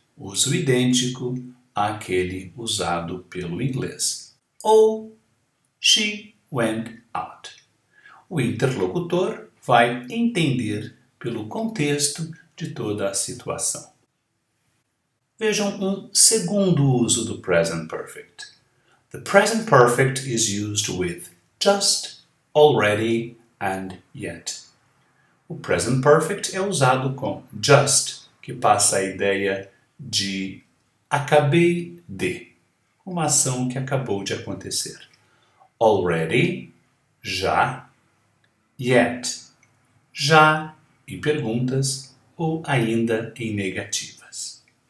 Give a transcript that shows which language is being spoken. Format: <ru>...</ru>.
<pt>Uso idêntico àquele usado pelo inglês. Ou</pt> <en>she went out.</en> <pt>O interlocutor vai entender pelo contexto de toda a situação. Vejam um segundo uso do present perfect.</pt> <en>The present perfect is used with just, already, and yet.</en> <pt>O present perfect é usado com just, que passa a ideia de acabei de, uma ação que acabou de acontecer. Already, já, yet, já em perguntas ou ainda em negativas.</pt>